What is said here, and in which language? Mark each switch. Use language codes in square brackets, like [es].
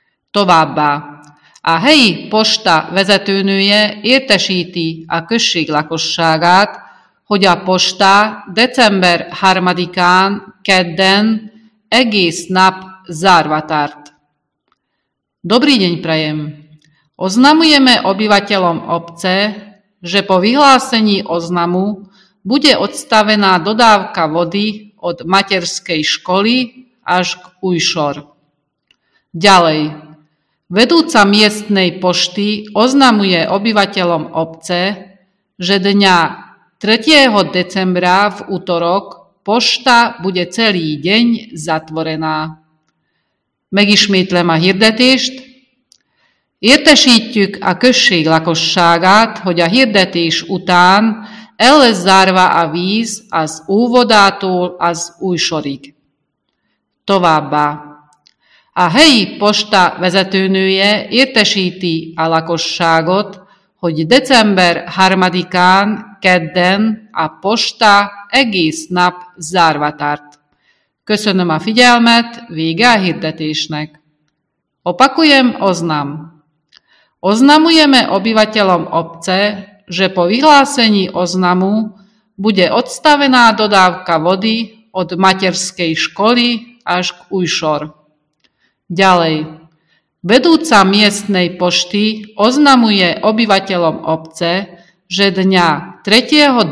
[hu] Továbbá a helyi posta vezetőnője értesíti a község lakosságát, hogy a posta december 3-án kedden egész nap zárva tart. [sk] Dobrý deň prajem! Oznamujeme obyvateľom obce, že po vyhlásení oznamu bude odstavená dodávka vody od materskej školy až k újšor. Ďalej, vedúca miestnej pošty oznamuje obyvateľom obce, že dňa 3. decembra v utorok pošta bude celý deň zatvorená. [hu] Megismétlem a hirdetést. Értesítjük a község lakosságát, hogy a hirdetés után el lesz zárva a víz az óvodától az újsorig. Továbbá a helyi posta vezetőnője értesíti a lakosságot, hogy december 3-án kedden a posta egész nap zárva tart. Köszönöm a figyelmet, vége a hirdetésnek. [sk] Opakujem oznam. Oznamujeme obyvateľom obce, že po vyhlásení oznamu bude odstavená dodávka vody od materskej školy až k újšor. Ďalej, vedúca miestnej pošty oznamuje obyvateľom obce, že dňa 3.